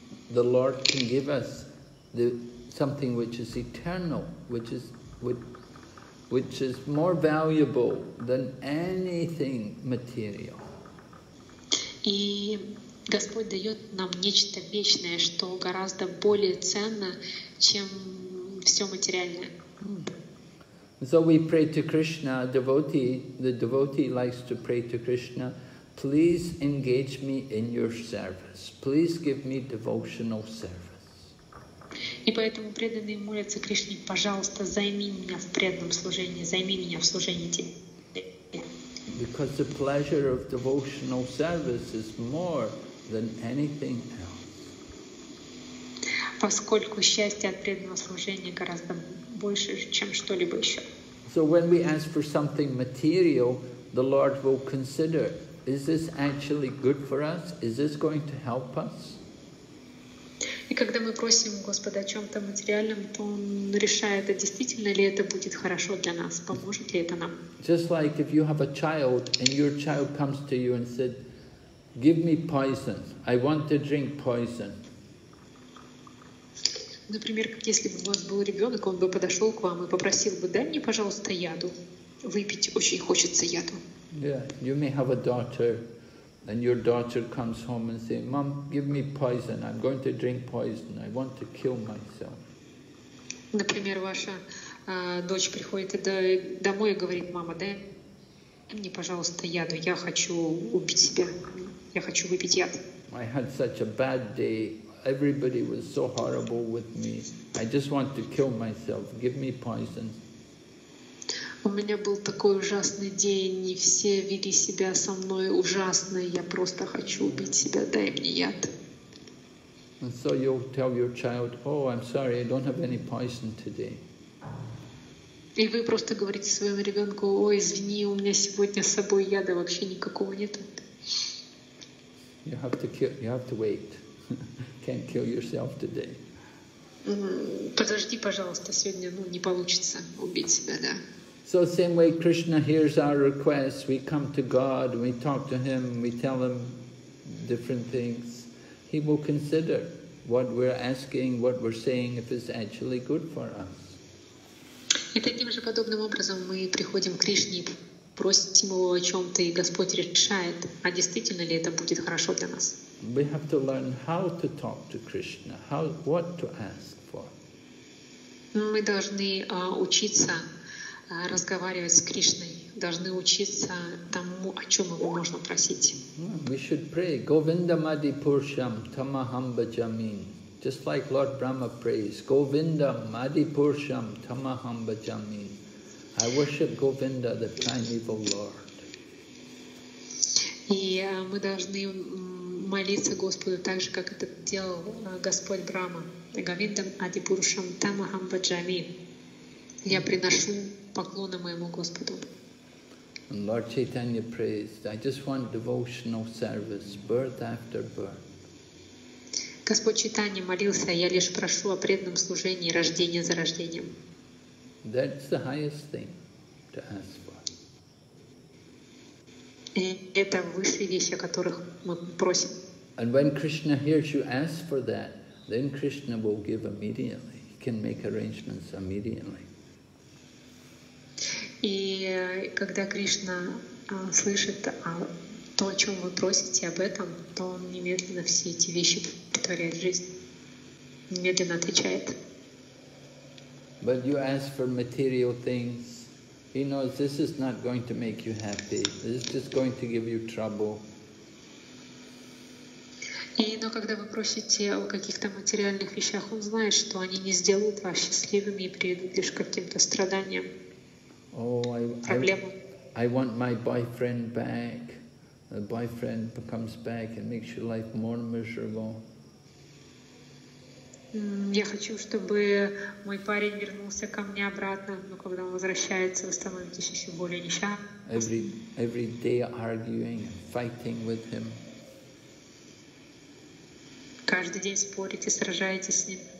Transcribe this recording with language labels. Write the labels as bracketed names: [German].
[English] The Lord can give us something which is eternal, which is more valuable than anything material. [Russian] И Господь дает нам нечто вечное, что гораздо более ценно, чем все материальное. [English] So we pray to Krishna, the devotee likes to pray to Krishna, please engage me in your service. Please give me devotional service. [Russian] И поэтому преданные молятся Кришне, пожалуйста, займи меня в преданном служении, займи меня в служении тебе. [English] Because the pleasure of devotional service is more than anything else. [Russian] Поскольку счастье от преданного служения гораздо больше, чем что-либо еще. [English] So when we ask for something material, the Lord will consider, is this actually good for us? Is this going to help us? [Russian] И когда мы просим Господа о чем-то материальном, то Он решает, а действительно ли это будет хорошо для нас, поможет ли это нам. [English] Just like if you have a child and your child comes to you and said, give me poison, I want to drink poison. [Russian] Например, если бы у вас был ребенок, он бы подошел к вам и попросил бы, дай мне, пожалуйста, яду, выпить очень хочется яду. [English] Yeah, you may have a daughter. And your daughter comes home and says, "Mom, give me poison. I'm going to drink poison. I want to kill myself." [Russian] Например, ваша дочь приходит домой и говорит: "Мама, дай мне, пожалуйста, яду. Я хочу убить себя. Я хочу выпить яд." [English] I had such a bad day. Everybody was so horrible with me. I just want to kill myself. Give me poison. [Russian] У меня был такой ужасный день, и все вели себя со мной ужасно, я просто хочу убить себя, дай мне яд. [English] And so you'll tell your child, oh, I'm sorry, I don't have any poison today. [Russian] И вы просто говорите своему ребенку, ой, извини, у меня сегодня с собой яда вообще никакого нет. [English] You have to wait. Can't kill yourself today. [Russian] Подожди, пожалуйста, сегодня не получится убить себя, да. [English] So same way Krishna hears our requests, we come to God, we talk to Him, we tell Him different things. He will consider what we're asking, what we're saying, if it's actually good for us. [Russian] И таким же подобным образом мы приходим к Кришне, просим Его о чем-то, и Господь решает, а действительно ли это будет хорошо для нас. [English] We have to learn how to talk to Krishna, what to ask for. [Russian] Мы должны учиться разговаривать с Кришной, должны учиться тому, о чем его можно просить. [English] We should pray [Sanskrit] Govinda Madhi Purusham Tamaham Bhajami [English] Just like Lord Brahma prays, [Sanskrit] Govindam Adipursham Tamaham Bhajami. [English] I worship Govinda, the primeval Lord. [Russian] И мы должны молиться Господу так же, как это делал Господь Брама. [Sanskrit] Говиндам Адипуршам Тамахам Баджами. [Russian] Я приношу поклоны моему Господу. [English] And Lord Chaitanya praised, I just want devotional service, birth after birth. [Russian] Господь Чайтанья молился, я лишь прошу о преданном служении, рождение за рождением. [English] That's the highest thing to ask for. [Russian] И это высшие вещи, о которых мы просим. [English] And when Krishna hears you ask for that, then Krishna will give immediately. He can make arrangements immediately. [Russian] И когда Кришна слышит то, о чем вы просите об этом, то он немедленно все эти вещи притворяет в жизнь, немедленно отвечает. [English] But you ask for material things. He knows this is not going to make you happy. This is just going to give you trouble. [Russian] Но когда вы просите о каких-то материальных вещах, он знает, что они не сделают вас счастливыми и приведут лишь к каким-то страданиям, проблемам. [English] I want my boyfriend back. The boyfriend comes back and makes your life more miserable. [Russian] Я хочу, чтобы мой парень вернулся ко мне обратно, но когда он возвращается, вы становитесь еще более несчастным. [English] Every day arguing, fighting with him. [Russian] Каждый день спорите, сражаетесь с ним.